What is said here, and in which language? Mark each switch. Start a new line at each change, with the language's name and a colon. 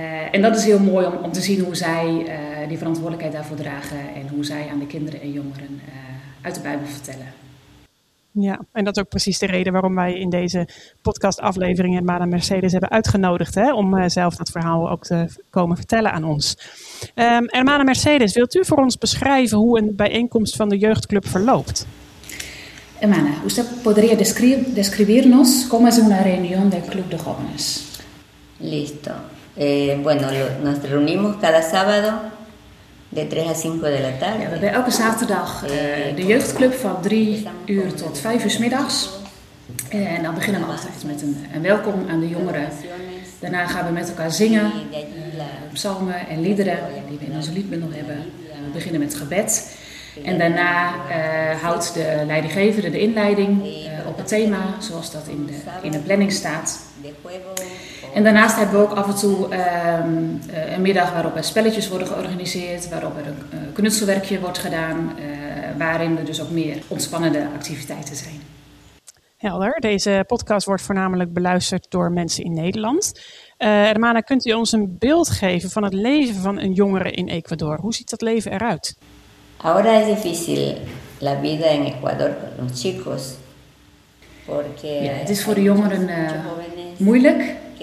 Dutch: En dat is heel mooi om te zien hoe zij die verantwoordelijkheid daarvoor dragen en hoe zij aan de kinderen en jongeren uit de Bijbel vertellen. Ja, en dat is ook precies de reden waarom wij in deze podcastaflevering Hermana Mercedes hebben uitgenodigd, hè, om zelf dat verhaal ook te komen vertellen aan ons. Hermana Mercedes, wilt u voor ons beschrijven hoe een bijeenkomst van de jeugdclub verloopt?
Spanish: Hermana, usted podría describirnos cómo es una reunión del club de jóvenes. Listo. Bueno, nos reunimos cada sábado de 3 a 5 de la tarde.
Dutch: Ja, we hebben elke zaterdag de jeugdclub van 3 uur tot 5 uur middags. En dan beginnen we altijd met een welkom aan de jongeren. Daarna gaan we met elkaar zingen, psalmen en liederen die we in onze liedbundel hebben. We beginnen met gebed. En daarna houdt de leidinggevende de inleiding het thema, zoals dat in de planning staat. En daarnaast hebben we ook af en toe een middag waarop er spelletjes worden georganiseerd, waarop er een knutselwerkje wordt gedaan, waarin er dus ook meer ontspannende activiteiten zijn. Helder. Deze podcast wordt voornamelijk beluisterd door mensen in Nederland. Hermana, kunt u ons een beeld geven van het leven van een jongere in Ecuador? Hoe ziet dat leven eruit?
Spanish: Ahora es difícil la vida en Ecuador con los chicos.
Dutch: Het is voor de jongeren moeilijk.